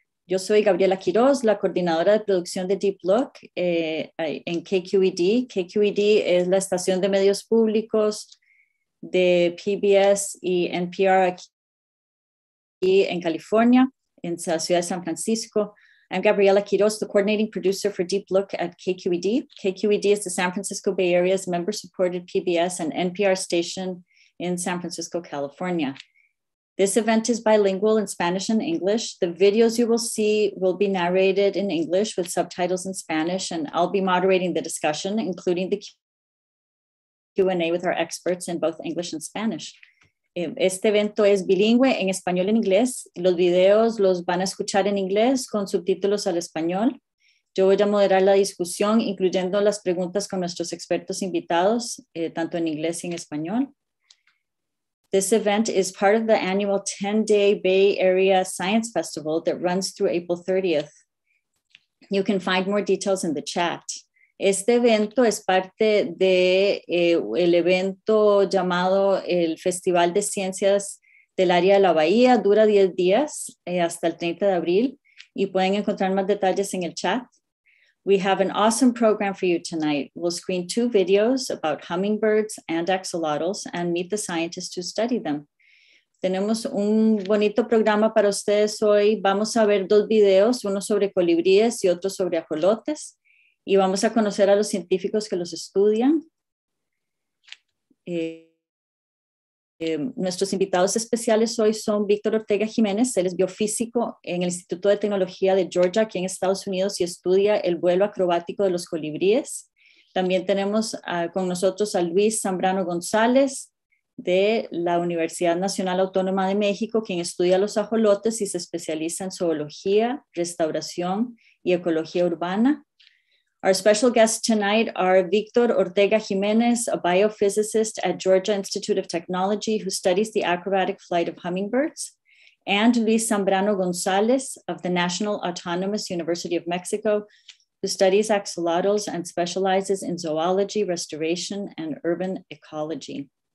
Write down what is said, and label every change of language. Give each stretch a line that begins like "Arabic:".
Spanish: Yo soy Gabriela Quirós, la coordinadora de producción de Deep Look en KQED. KQED es la estación de medios públicos de PBS y NPR aquí en California, en la ciudad de San Francisco.
English: I'm Gabriela Quirós, the coordinating producer for Deep Look at KQED. KQED is the San Francisco Bay Area's member-supported PBS and NPR station in San Francisco, California. This event is bilingual in Spanish and English. The videos you will see will be narrated in English with subtitles in Spanish, and I'll be moderating the discussion, including the Q&A with our experts in both English and Spanish.
Spanish: Este evento es bilingüe en español e inglés. Los videos los van a escuchar en inglés con subtítulos al español. Yo voy a moderar la discusión, incluyendo las preguntas con nuestros expertos invitados, tanto en inglés y en español.
English: This event is part of the annual 10-day Bay Area Science Festival that runs through April 30th. You can find more details in the chat.
Spanish: Este evento es parte de el evento llamado el Festival de Ciencias del Área de la Bahía. Dura 10 días hasta el 30 de abril. Y pueden encontrar más detalles en el chat.
English: We have an awesome program for you tonight. We'll screen two videos about hummingbirds and axolotls and meet the scientists who study them.
Spanish: Tenemos un bonito programa para ustedes hoy. Vamos a ver dos videos, uno sobre colibríes y otro sobre ajolotes. Y vamos a conocer a los científicos que los estudian. Nuestros invitados especiales hoy son Víctor Ortega-Jiménez. Él es biofísico en el Instituto de Tecnología de Georgia, aquí en Estados Unidos, y estudia el vuelo acrobático de los colibríes. También tenemos con nosotros a Luis Zambrano González, de la Universidad Nacional Autónoma de México, quien estudia los ajolotes y se especializa en zoología, restauración y ecología urbana.
English: Our special guests tonight are Víctor Ortega-Jiménez, a biophysicist at Georgia Institute of Technology who studies the acrobatic flight of hummingbirds, and Luis Zambrano González of the National Autonomous University of Mexico, who studies axolotls and specializes in zoology, restoration, and urban ecology.